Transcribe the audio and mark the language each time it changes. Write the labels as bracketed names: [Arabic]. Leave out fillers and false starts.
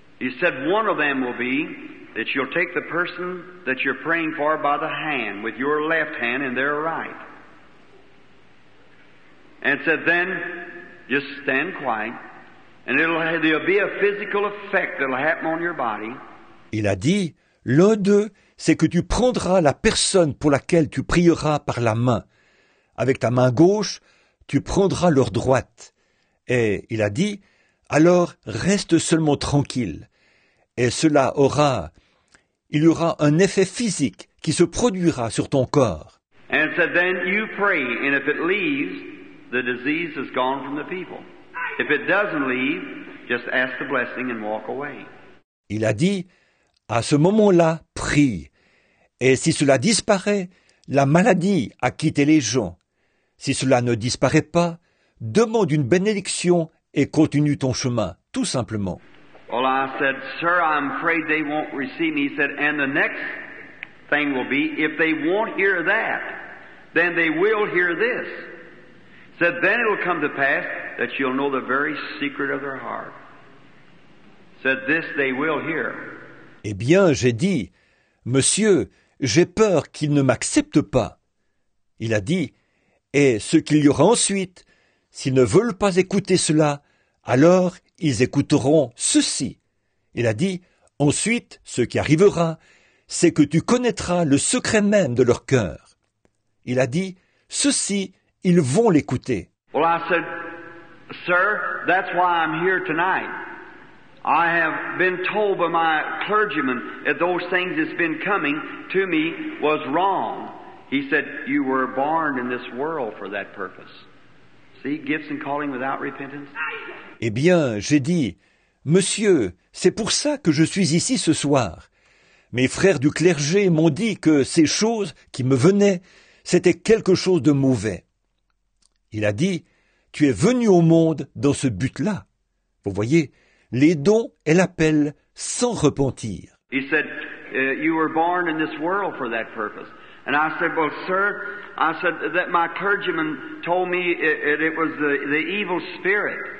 [English] He said one of them will be that you'll take the person that you're praying for by the hand, with your left hand and their right. And said, then, just stand quiet, and there'll be a physical effect that'll happen on your body. [French] Il a dit, l'un d'eux, c'est que tu prendras la personne pour laquelle tu prieras par la main. Avec ta main gauche, tu prendras leur droite. Et il a dit, alors, reste seulement tranquille. Et cela aura... Il y aura un effet physique qui se produira sur ton corps. [English] And so then you pray, and if it leaves, the disease is gone from the people. If it doesn't leave, just ask the blessing and walk away. [French] Il a dit, à ce moment-là, prie. Et si cela disparaît, la maladie a quitté les gens. Si cela ne disparaît pas, demande une bénédiction et continue ton chemin, tout simplement. [English] Well, I said, sir, I'm afraid they won't receive me. He said, and the next thing will be, if they won't hear that, then they will hear this. He said, then it will come to pass that you'll know the very secret of their heart. He said, this they will hear. [French] Eh bien, j'ai dit, monsieur, j'ai peur qu'ils ne m'acceptent pas. Il a dit, et ce qu'il y aura ensuite, s'ils ne veulent pas écouter cela, alors... Ils écouteront ceci. Il a dit, ensuite, ce qui arrivera, c'est que tu connaîtras le secret même de leur cœur. Il a dit, ceci, ils vont l'écouter. [English] Well, I said, sir, that's why I'm here tonight. I have been told by my clergyman that those things that's been coming to me was wrong. He said, you were born in this world for that purpose. See, gifts and calling without repentance. [French] Eh bien, j'ai dit, monsieur, c'est pour ça que je suis ici ce soir. Mes frères du clergé m'ont dit que ces choses qui me venaient, c'était quelque chose de mauvais. Il a dit, tu es venu au monde dans ce but-là. Vous voyez, les dons et l'appel sans repentir. [English] He said, you were born in this world for that purpose. And I said, well, sir, I said that my clergyman told me it was the evil spirit.